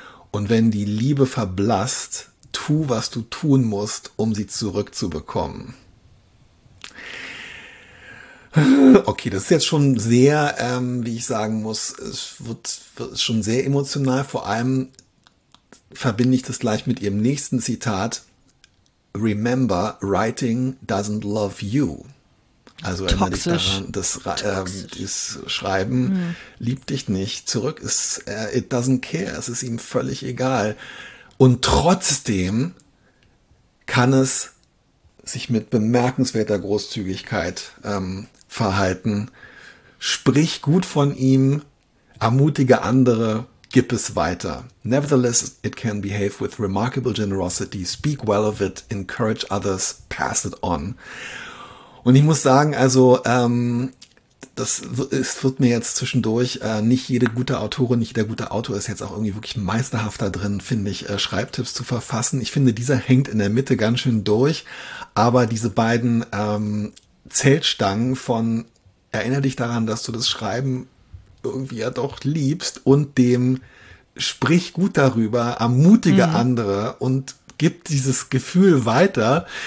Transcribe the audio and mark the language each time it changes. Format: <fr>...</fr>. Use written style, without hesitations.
<de>Und wenn die Liebe verblasst, tu, was du tun musst, um sie zurückzubekommen. Okay, das ist jetzt schon sehr, wie ich sagen muss, es wird schon sehr emotional. Vor allem verbinde ich das gleich mit ihrem nächsten Zitat.</de> <en>Remember, writing doesn't love you.</en> <de>Also erinnere dich daran, das dieses Schreiben liebt dich nicht. Zurück ist,</de> <en>it doesn't care,</en> <de>es ist ihm völlig egal. Und trotzdem kann es sich mit bemerkenswerter Großzügigkeit verhalten. Sprich gut von ihm, ermutige andere, gib es weiter.</de> <en>Nevertheless, it can behave with remarkable generosity. Speak well of it, encourage others, pass it on.</en> <de>Und ich muss sagen, also es wird mir jetzt zwischendurch nicht jede gute Autorin, nicht jeder gute Autor ist jetzt auch irgendwie wirklich meisterhafter drin, finde ich, Schreibtipps zu verfassen. Ich finde, dieser hängt in der Mitte ganz schön durch. Aber diese beiden Zeltstangen von erinnere dich daran, dass du das Schreiben irgendwie ja doch liebst und dem sprich gut darüber, ermutige andere und gib dieses Gefühl weiter.</de>